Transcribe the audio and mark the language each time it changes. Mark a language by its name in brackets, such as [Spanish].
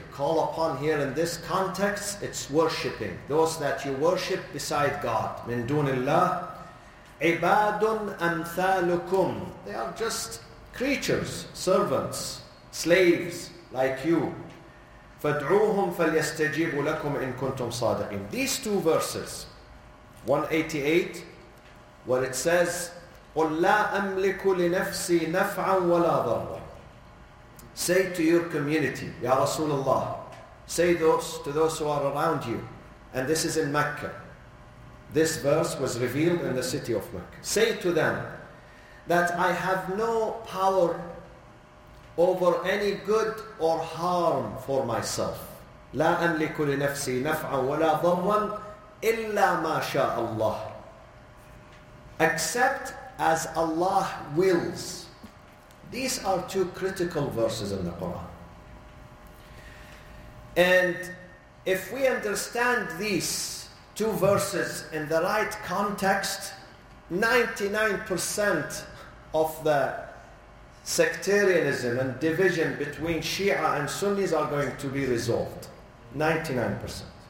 [English] Call upon here in this context, it's worshipping. Those that you worship beside God, [Arabic] مِنْ دُونِ اللَّهِ, عِبَادٌ أَمْثَالُكُمْ. [English] They are just creatures, servants, slaves like you. [Arabic] فَدْعُوهُمْ فَلْيَسْتَجِيبُ لَكُمْ إِن كُنْتُمْ صَادِقِينَ. [English] These two verses, 188, where it says, [Arabic] قُلْ لَا أَمْلِكُ لِنَفْسِي نَفْعًا وَلَا ضَرًّا. [English] Say to your community, [Arabic] يَا رَسُولَ اللَّهِ. [English] Say those to those who are around you. And this is in Mecca. This verse was revealed in the city of Mecca. Say to them that I have no power over any good or harm for myself. [Arabic] لا أملك لنفسي نفعا ولا ضرا إلا ما شاء الله. [English] Except as Allah wills. These are two critical verses in the Quran. And if we understand these two verses in the right context, 99% of the sectarianism and division between Shia and Sunnis are going to be resolved. 99%.